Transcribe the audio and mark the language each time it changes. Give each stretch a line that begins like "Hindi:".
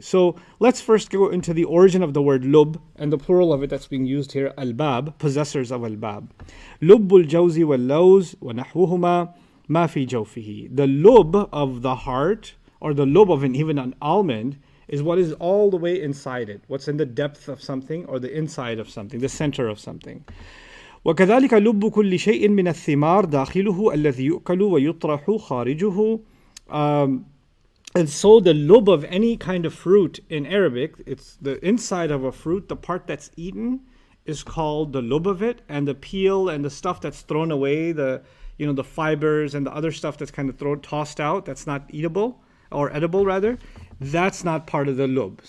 English: So let's first go into the origin of the word lub and the plural of it that's being used here, albab, possessors of albab.
Arabic: Lubbul jawzi wal lawz wa nahwuhuma ma fi jawfihi.
English: The lobe of the heart, or the lobe of even an almond, is what is all the way inside it. What's in the depth of something, or the inside of something, the center of something.
Arabic: وكذلك لب كل شيء من الثمار داخله الذي يؤكل ويطرح خارجه.
English: And so the lobe of any kind of fruit in Arabic, it's the inside of a fruit, the part that's eaten, is called the lobe of it, and the peel and the stuff that's thrown away, the fibers and the other stuff that's kind of tossed out, that's not eatable, or edible rather, that's not part of the lobe.